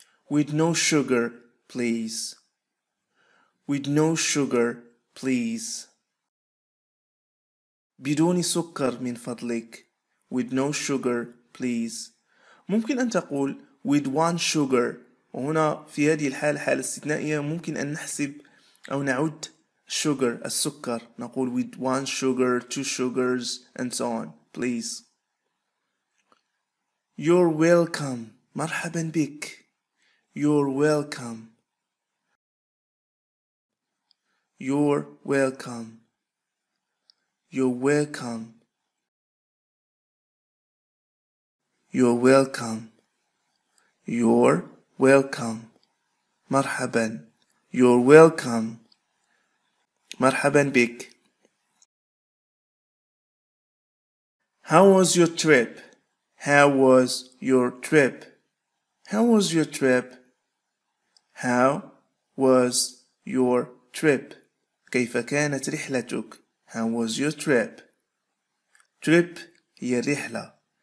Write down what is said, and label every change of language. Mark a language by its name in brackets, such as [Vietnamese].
[English] With no sugar, please. With no sugar, please. [Arabic] بدون سكر من فضلك. [English] With no sugar, please. [Arabic] ممكن أن تقول [English] with one sugar. [Arabic] وهنا في هذه الحالة حالة استثنائية ممكن أن نحسب أو نعد sugar السكر. نقول [English] with one sugar, two sugars and so on, please. You're welcome. [Arabic] مرحبا بك. [English] You're welcome. You're welcome. You're welcome. You're welcome. You're welcome. [Arabic] مرحبا. [English] You're welcome. [Arabic] مرحبا بك. [English] How was your trip? How was your trip? How was your trip? How was your trip? [Arabic] كيف كانت رحلتك؟ [English] How was your trip? [Arabic] Trip هي الرحلة.